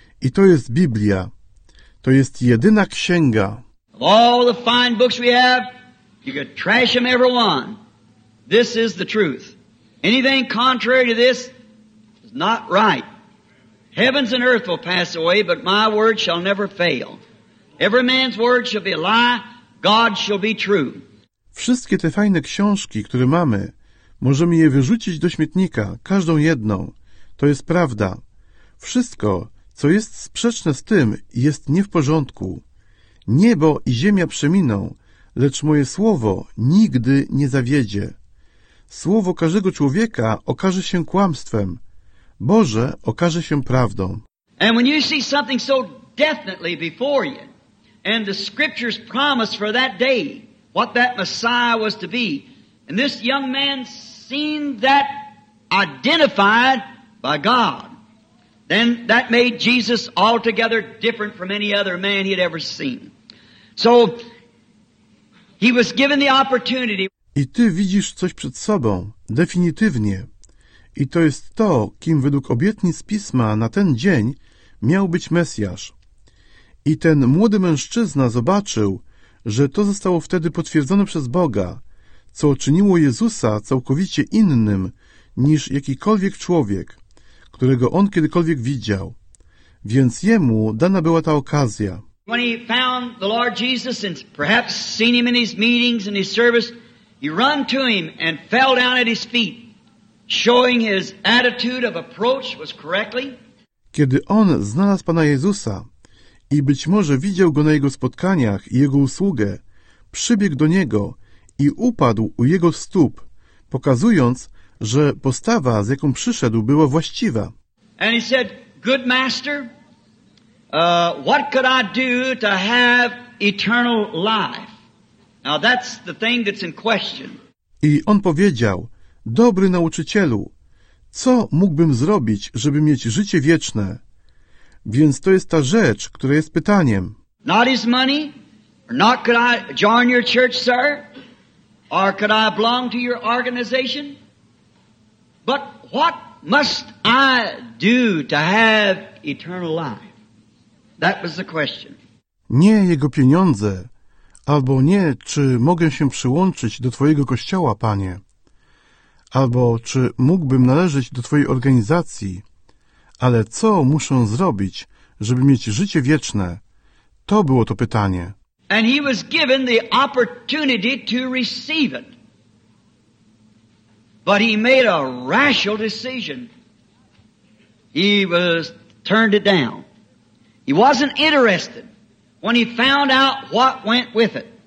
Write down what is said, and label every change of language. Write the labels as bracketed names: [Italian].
[Polish] I to jest Biblia. To jest jedyna księga. [English] Of all the fine books we have, you could trash them every one. This is the truth. Anything contrary to this is not right. Heavens and earth will pass away, but my word shall never fail. Every man's word shall be a lie, God shall be true. [Polish] Wszystkie te fajne książki, które mamy, możemy je wyrzucić do śmietnika, każdą jedną. To jest prawda. Wszystko, co jest sprzeczne z tym, jest nie w porządku. Niebo i ziemia przeminą, lecz moje słowo nigdy nie zawiedzie. Słowo każdego człowieka okaże się kłamstwem. Boże okaże się prawdą. [English] And when you see something so definitely before you, and the scriptures promise for that day what that Messiah was to be, and this young man seen that identified by God, then that made Jesus altogether different from any other man he had ever seen. So he was given the opportunity. [Polish] I ty widzisz coś przed sobą, definitywnie. I to jest to, kim według obietnic Pisma na ten dzień miał być Mesjasz. I ten młody mężczyzna zobaczył, że to zostało wtedy potwierdzone przez Boga, co czyniło Jezusa całkowicie innym niż jakikolwiek człowiek, którego on kiedykolwiek widział. Więc jemu dana była ta okazja. [English] When he found the Lord Jesus and perhaps seen him in his meetings and his service, he ran to him and fell down at his feet, showing his attitude of approach was correctly. [Polish] Kiedy on znalazł Pana Jezusa i być może widział go na jego spotkaniach i jego usługę, przybiegł do niego i upadł u jego stóp, pokazując, że postawa, z jaką przyszedł, była właściwa. [English] And he said, good master, what could I do to have eternal life? Now that's the thing that's in question. [Polish] I on powiedział, dobry nauczycielu, co mógłbym zrobić, żeby mieć życie wieczne? Więc to jest ta rzecz, która jest pytaniem. [English] Not his money, or not could I join your church, sir, or could I belong to your organization? But what must I do to have eternal life? That was the question. [Polish] Nie jego pieniądze, albo nie, czy mogę się przyłączyć do Twojego kościoła, Panie, albo czy mógłbym należeć do Twojej organizacji, ale co muszę zrobić, żeby mieć życie wieczne? To było to pytanie. [English] And he was given the opportunity to receive it. But he made a rational decision. He was turned it down. He wasn't interested when he found out what went with it.